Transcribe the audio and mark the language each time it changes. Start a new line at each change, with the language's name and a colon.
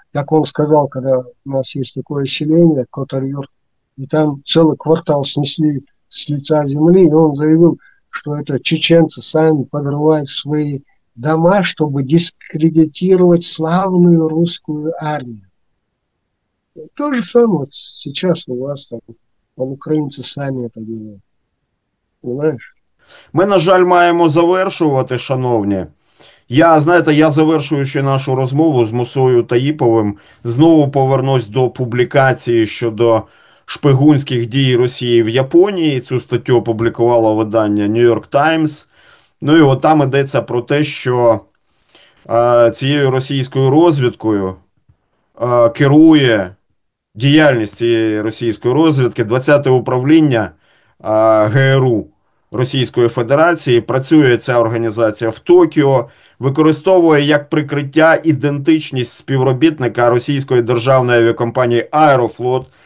Russian: Как он сказал, когда у нас есть такое селение, Котарьер, и там целый квартал снесли с лица земли, и он заявил, что это чеченцы сами подрывают свои дома, чтобы дискредитировать славную русскую армию. То же самое вот сейчас у вас там, там украинцы сами это делают. Понимаешь?
Ukrainian: Ми, на жаль, маємо завершувати, шановні. Я, знаєте, я завершуючи нашу розмову з Мусою Таїповим, знову повернусь до публікації щодо шпигунських дій Росії в Японії. Цю статтю опублікувало видання New York Times. Ну і от там йдеться про те, що цією російською розвідкою керує діяльність цієї російської розвідки 20-те управління ГРУ Російської Федерації. Працює ця організація в Токіо, використовує як прикриття ідентичність співробітника російської державної авіакомпанії «Аерофлот».